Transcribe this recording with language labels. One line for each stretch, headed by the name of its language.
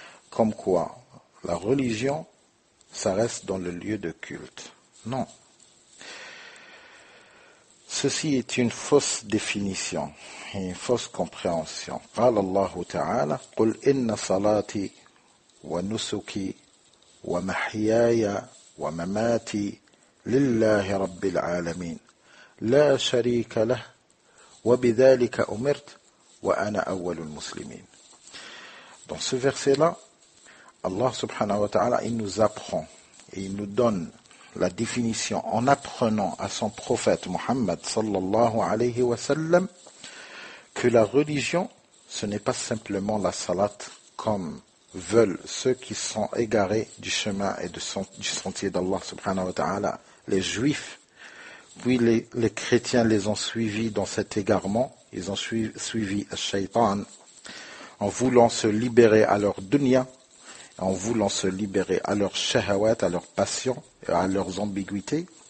French: Comme quoi, la religion, ça reste dans le lieu de culte. Non. Ceci est une fausse définition, une fausse compréhension.
Arabic: قال الله تعالى قل إن صلاتي ونسكي ومحياي ومماتي لله رب العالمين لا شريك له وبذلك أمرت وأنا أول المسلمين.
French: Dans ce verset-là, Allah subhanahu wa ta'ala, il nous apprend et il nous donne la définition en apprenant à son prophète Mohammed sallallahu alayhi wa sallam que la religion, ce n'est pas simplement la salat comme veulent ceux qui sont égarés du chemin et du sentier d'Allah subhanahu wa ta'ala, les juifs, puis les chrétiens les ont suivis dans cet égarement, ils ont suivi le shaytan en voulant se libérer à leur dunya, en voulant se libérer à leur shahawat, à leur passion, à leurs ambiguïtés.